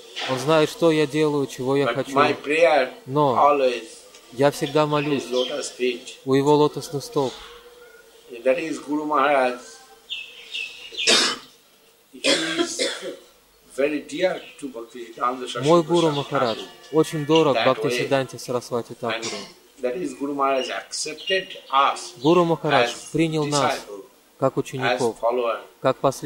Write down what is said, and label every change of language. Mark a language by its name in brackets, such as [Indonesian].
[Russian] Он знает, что я делаю, чего я хочу. Но я всегда молюсь у его лотосных стоп. [English] That is Guru Maharaj. He is very dear to Bhaktisiddhanta Saraswati. [Russian] Мой гуру Махарадж очень дорог Бхактисиддханте Сарасвати Такуру. [English] That is Guru Maharaj accepted us. [Russian] Гуру Махарадж принял нас как учеников, как